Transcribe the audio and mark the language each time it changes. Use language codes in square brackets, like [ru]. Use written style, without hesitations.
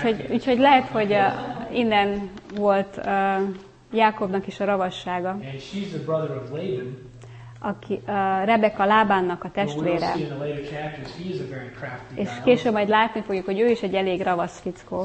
[hu] Úgyhogy lehet, hogy innen volt Jákobnak is a ravassága. [en] And she's the brother of Laban. [hu] Aki Rebecca Lábánnak a testvére. [en] But we'll see in the later chapters, he is a very crafty guy. [hu] És később majd látni fogjuk, hogy ő is egy elég ravasz fickó.